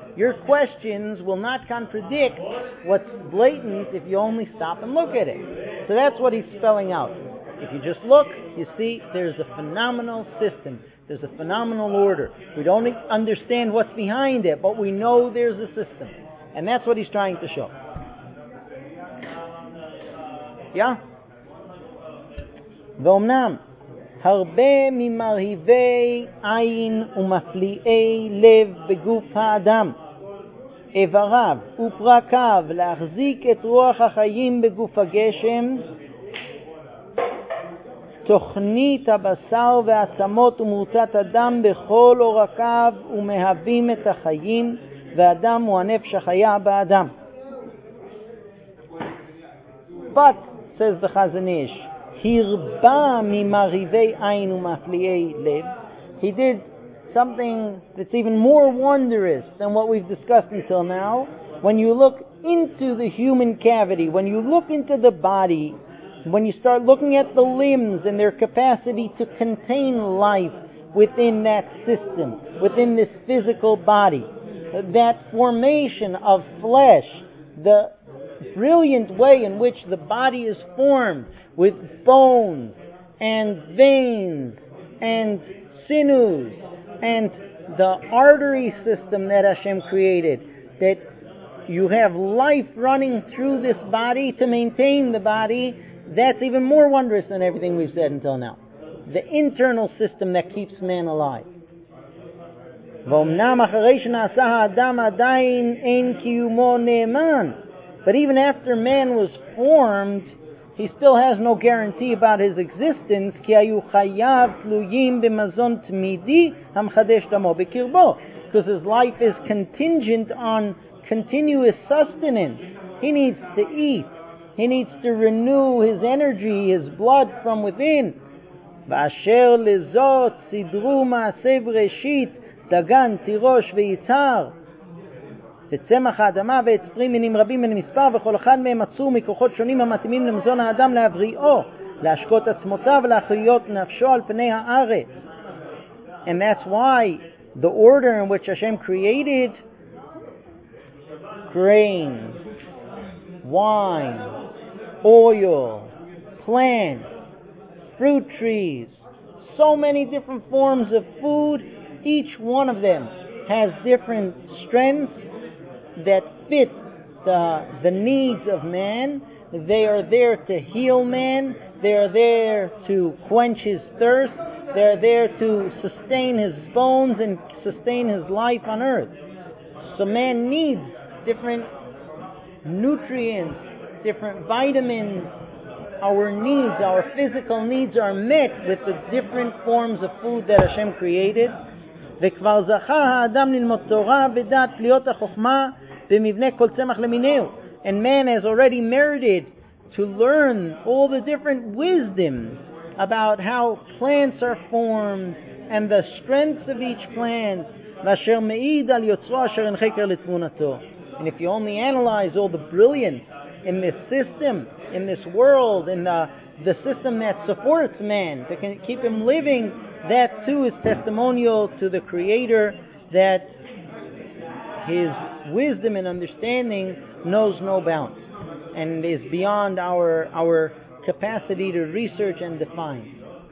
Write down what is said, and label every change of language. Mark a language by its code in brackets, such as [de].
[en] Your questions will not contradict what's blatant if you only stop and look at it. So that's what he's spelling out. If you just look, you see there's a phenomenal system. There's a phenomenal order. We don't understand what's behind it, but we know there's a system. And that's what he's trying to show. Yeah? [he] V'omnam, הרבה ממרהיבי עין ומפליאי לב בגוף האדם, איבריו ופרקיו להחזיק את רוח החיים בגוף הגשם, תוכנית הבשר והעצמות ומרוצת הדם בכל אורקיו ומהווים את החיים, והאדם הוא הנפש החיה באדם. [en] But, says the Chazanish, [he] הרבה ממרהיבי עין ומפליאי לב. [en] He did something that's even more wondrous than what we've discussed until now. When you look into the human cavity, when you look into the body, when you start looking at the limbs and their capacity to contain life within that system, within this physical body, that formation of flesh, the brilliant way in which the body is formed with bones and veins and sinews and the artery system that Hashem created, that you have life running through this body to maintain the body, that's even more wondrous than everything we've said until now. The internal system that keeps man alive. [he] ואומנם אחרי שנעשה האדם עדיין אין קיומו נאמן. [en] But even after man was formed, he still has no guarantee about his existence. [he] Ki ayu chayav tluyim b'mazon tmidi hamchadesh damo b'kirbo, [en] because his life is contingent on continuous sustenance. He needs to eat. He needs to renew his energy, his blood from within. [he] Ba'asher lezot sidru ma'asev reshit dagan tirosh ve'itzar. וצמח האדמה ועץ פרי מינים רבים מן מספר, וכל אחד מהם עצור מכוחות שונים המתאימים למזון האדם להבריאו, להשקות עצמותיו, להחיות נפשו על פני הארץ. [en] And that's why the order in which Hashem created grain, wine, oil, plants, fruit trees, so many different forms of food, each one of them has different strengths that fit the needs of man. They are there to heal man. They are there to quench his thirst. They are there to sustain his bones and sustain his life on earth. So man needs different nutrients, different vitamins. Our needs, our physical needs are met with the different forms of food that Hashem created. [he] וכבר זכה האדם ללמוד תורה ודעת תליות החוכמה במבנה כל צמח למיניו. [en] And man has already merited to learn all the different wisdoms about how plants are formed and the strengths of each plant. [he] ואשר מעיד על יוצרו אשר אין חקר לתמונתו. [en] And if you only analyze all the brilliance in this system, in this world, in the system that supports man, that can keep him living, that too is testimonial to the Creator that his wisdom and understanding knows no bounds and is beyond our capacity to research and define.